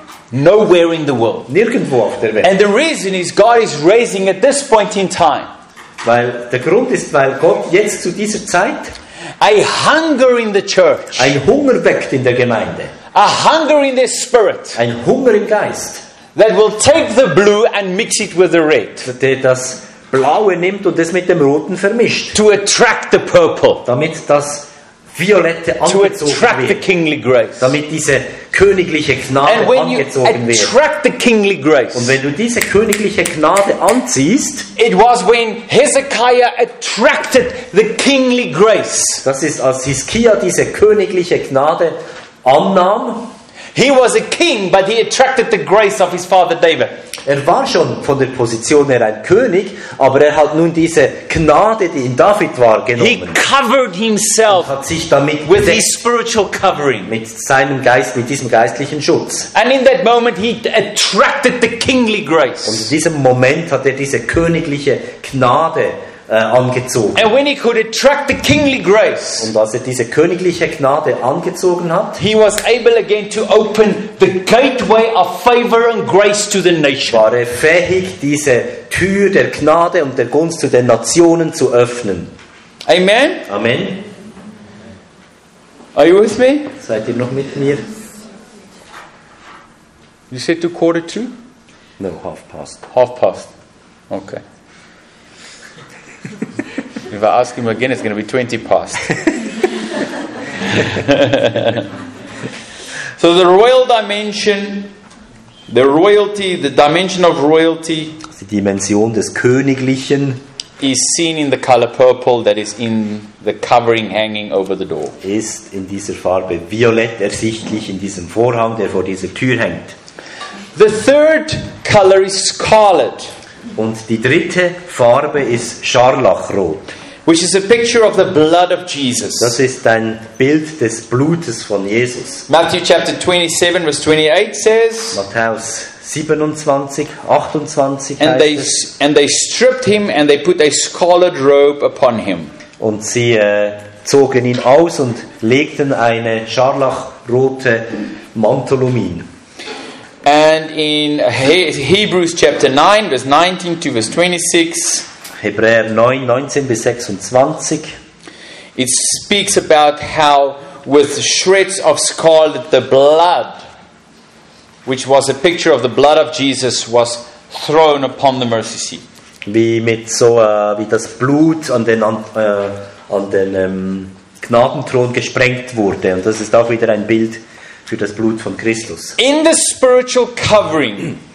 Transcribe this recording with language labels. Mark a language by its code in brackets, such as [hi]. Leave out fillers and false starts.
[en] Nowhere in the world. [de] Nirgendwo auf der Welt. [en] And the reason is God is raising at this point in time. [de] Weil der Grund ist, weil Gott jetzt zu dieser Zeit [en] a hunger in the church. [de] Ein Hunger weckt in der Gemeinde. [en] A hunger in the spirit. [de] Ein Hunger im Geist. [en] That will take the blue and mix it with the red. [de] Der das Blaue nimmt und es mit dem Roten vermischt. [en] To attract the purple. [de] Damit das Violette angezogen [en] to attract [de] wird. [en] The kingly grace. [de] Damit diese königliche Gnade [en] and when [de] angezogen [en] you attract [de] wird. [en] The kingly grace. [de] Und wenn du diese königliche Gnade anziehst, [en] it was when Hezekiah attracted the kingly grace. [de] Das ist, als Hiskia diese königliche Gnade annahm. [en] He was a king, but he attracted the grace of his father David. [de] Er war schon von der Position her ein König, aber er hat nun diese Gnade, die in David war, genommen. [en] He covered himself [de] hat sich damit [en] with his spiritual covering. [de] Mit seinem Geist, mit diesem geistlichen Schutz. [en] And in that moment he attracted the kingly grace. [de] Und in diesem Moment hat er diese königliche Gnade angezogen. [en] And when he could attract the kingly grace, [de] und als er diese königliche Gnade angezogen hat, [en] he was able again to open the gateway of favor and grace to the nation. [de] War er fähig, diese Tür der Gnade und der Gunst zu den Nationen zu öffnen. [en] Amen. [de] Amen. [en] Are you with me? [de] Seid ihr noch mit mir? [en] You said to quarter two? No, half past. Half past. Okay. If I ask him again, it's going to be 20 past. So the royal dimension, the royalty, the dimension of royalty, [de] die Dimension des Königlichen, [en] is seen in the color purple that is in the covering hanging over the door. [de] Ist in dieser Farbe violett ersichtlich in diesem Vorhang, der vor dieser Tür hängt. [en] The third color is scarlet. [de] Und die dritte Farbe ist Scharlachrot. [en] Which is a picture of the blood of Jesus. [de] Das ist ein Bild des Blutes von Jesus. [en] Matthew chapter 27 verse 28 says. [de] Matthäus 27, 28 heißt es. [en] And they stripped him and they put a scarlet robe upon him. [de] Und sie zogen ihn aus und legten eine scharlachrote Mantel um ihn. [en] And in Hebrews chapter 9 verse 19 to verse 26. [de] Hebräer 9, 19 bis 26. [en] It speaks about how with shreds of scarlet the blood, which was a picture of the blood of Jesus, was thrown upon the mercy seat. [de] Wie mit so wie das Blut an den Gnadenthron gesprengt wurde. Und das ist auch wieder ein Bild für das Blut von Christus. [en] In the spiritual covering.